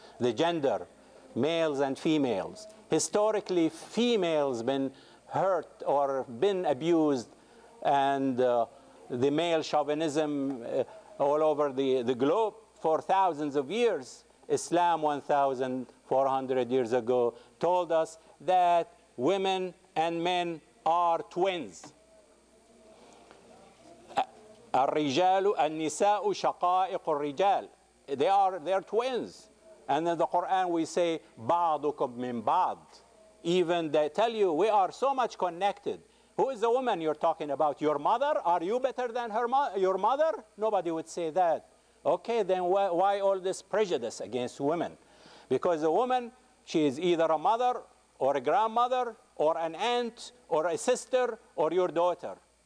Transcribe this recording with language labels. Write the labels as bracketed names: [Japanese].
[English] The gender, males and females. Historically, females been hurt or been abused, and the male chauvinism all over the globe for thousands of years. Islam 1,400 years ago told us that women and men are twins. [Arabic] الرِّجَالُ النِّسَاءُ شَقَائِقُ الرِّجَالِ. [English] They're twins. And in the Quran we say, بَعْضُكُمْ مِنْ بَعْضٍ. Even they tell you, we are so much connected. Who is the woman you're talking about? Your mother? Are you better than your mother? Nobody would say that. Okay, then why all this prejudice against women? Because a woman, she is either a mother or a grandmother or an aunt or a sister or your daughter.